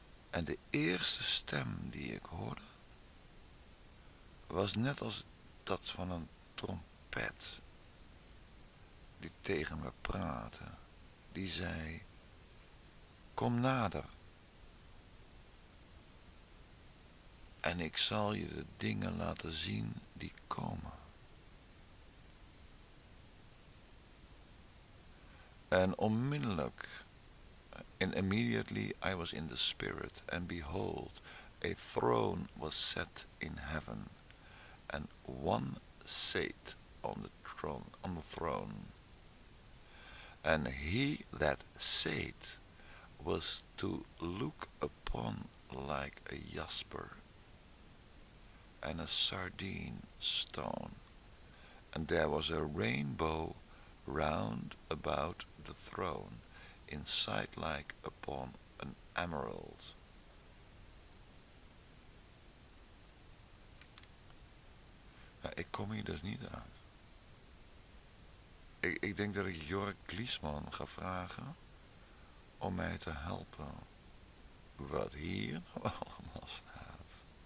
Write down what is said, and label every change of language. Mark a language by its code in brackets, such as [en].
[nl] En de eerste stem die ik hoorde, was net als dat van een trompet die tegen me praatte. Die zei, kom nader. En ik zal je de dingen laten zien die komen. En onmiddellijk, [en] and immediately I was in the spirit, and behold, a throne was set in heaven, and one sat on the throne. And he that sat was to look upon like a jasper, and a sardine stone, and there was a rainbow round about the throne, in sight like upon an emerald. [nl] Nou, ik kom hier dus niet uit. Ik denk dat ik Jorik Gliesman ga vragen om mij te helpen wat hier nou allemaal staat.